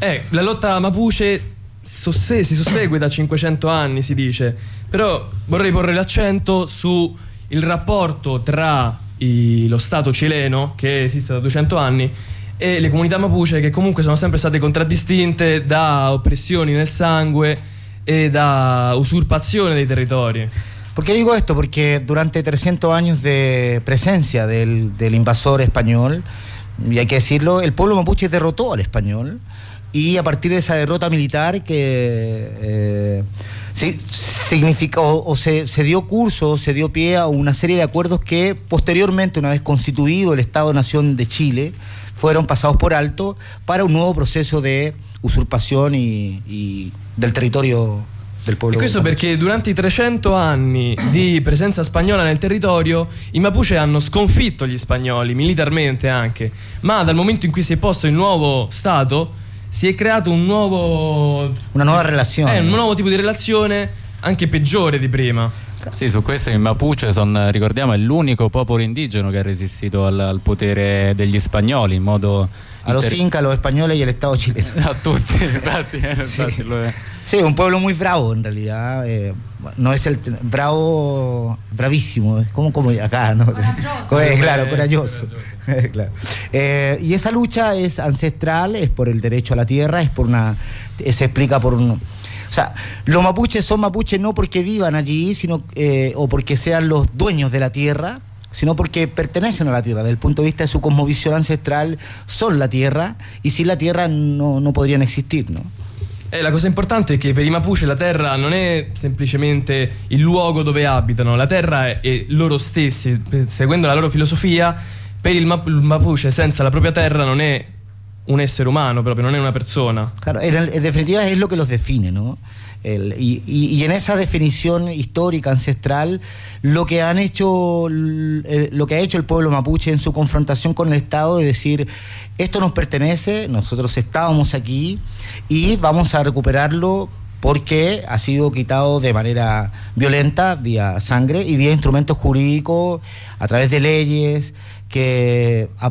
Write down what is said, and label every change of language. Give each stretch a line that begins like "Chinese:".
Italian: La lotta mapuche si sossegue da 500 anni, si dice, però vorrei porre l'accento su il rapporto tra lo Stato cileno, che esiste da 200 anni, e le comunità mapuche, che comunque sono sempre state contraddistinte da oppressioni nel sangue e da usurpazione dei territori.
Spanish: ¿Por qué digo esto? Porque durante 300 años de presencia del invasor español, y hay que decirlo, el pueblo mapuche derrotó al español, y a partir de esa derrota militar que significó o se dio curso, se dio pie a una serie de acuerdos que posteriormente, una vez constituido el Estado-Nación de Chile, fueron pasados por alto para un nuevo proceso de usurpación y del territorio del pueblo.
Italian: E questo perché durante i 300 anni di presenza spagnola nel territorio i Mapuche hanno sconfitto gli spagnoli, militarmente anche, ma dal momento in cui si è posto il nuovo Stato si è creato un nuovo... una nuova relazione. Un nuovo tipo di relazione, anche peggiore di prima. Sì, su questo i Mapuche sono, ricordiamo, è l'unico popolo indigeno che ha resistito al potere degli spagnoli in modo...
Spanish: A los incas, a los españoles y al Estado chileno.
Italian: A tutti, infatti,
Spanish: sí. Sí, un pueblo muy bravo en realidad. No es el bravo, bravísimo, es como acá, ¿no? Corajoso. Claro, corajoso. Claro. Y esa lucha es ancestral, es por el derecho a la tierra, es por una. Se explica por un. O sea, los mapuches son mapuches no porque vivan allí, sino o porque sean los dueños de la tierra, sino porque pertenecen a la tierra. Desde el punto de vista de su cosmovisión ancestral, son la tierra, y sin la tierra no podrían existir, ¿no?
Italian: La cosa importante è che per i Mapuche la terra non è semplicemente il luogo dove abitano, la terra è loro stessi, seguendo la loro filosofia. Per il Mapuche senza la propria terra non è un essere umano, proprio non è una persona.
Spanish: Claro, en definitiva es lo que los define, ¿no? Y en esa definición histórica ancestral, lo que ha hecho el pueblo mapuche en su confrontación con el Estado es decir, esto nos pertenece, nosotros estábamos aquí y vamos a recuperarlo porque ha sido quitado de manera violenta, vía sangre y vía instrumentos jurídicos, a través de leyes que